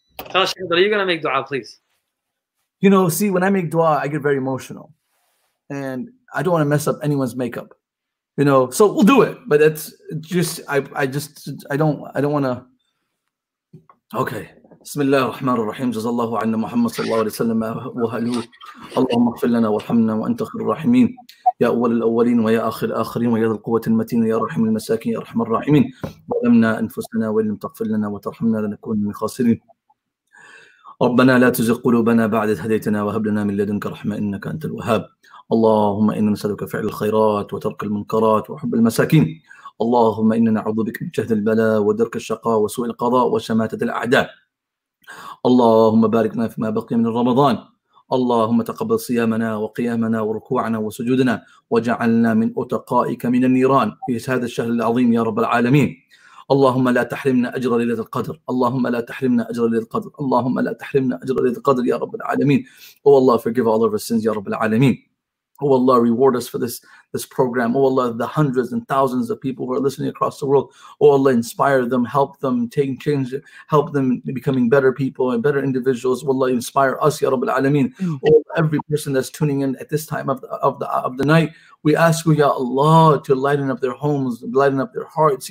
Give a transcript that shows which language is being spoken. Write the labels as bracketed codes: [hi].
[en] Tell us, are you going to make dua, please? When I make dua, I get very emotional. And I don't want to mess up anyone's makeup. So we'll do it, but it's just, I don't want to. Okay. [ar] بسم الله الرحمن الرحيم جزا الله عنا محمد صلى الله عليه وسلم وهلو اللهم اغفر لنا وارحمنا وانت خير الراحمين يا اول الاولين ويا اخر الاخرين ويا ذا القوه المتين يا رحم المساكين يا ارحم الراحمين ظلمنا انفسنا وان لم تغفر لنا وترحمنا لنكون من الخاسرين ربنا لا تزغ قلوبنا بعد إذ هديتنا وهب لنا من لدنك رحمه انك انت الوهاب اللهم انا نسالك فعل الخيرات وترك المنكرات وحب المساكين اللهم انا نعوذ بك من جهد البلاء ودرك الشقاء وسوء القضاء وشماتة الاعداء اللهم بارك لنا فيما بقي من رمضان اللهم تقبل صيامنا وقيامنا وركوعنا وسجودنا وجعلنا من اتقائك من النيران في هذا الشهر العظيم يا رب العالمين اللهم لا تحرمنا اجر ليله القدر اللهم لا تحرمنا اجر ليله القدر اللهم لا تحرمنا اجر ليله القدر يا رب العالمين والله [en] forgive all of our sins [ar] يا رب العالمين [en] Oh Allah, reward us for this program. Oh Allah, the hundreds and thousands of people who are listening across the world. Oh Allah, inspire them, help them, take change, help them becoming better people and better individuals. Oh Allah, inspire us, Ya Rabbil Alameen. Oh, every person that's tuning in at this time of the night, we ask you, Ya Allah, to lighten up their homes, lighten up their hearts.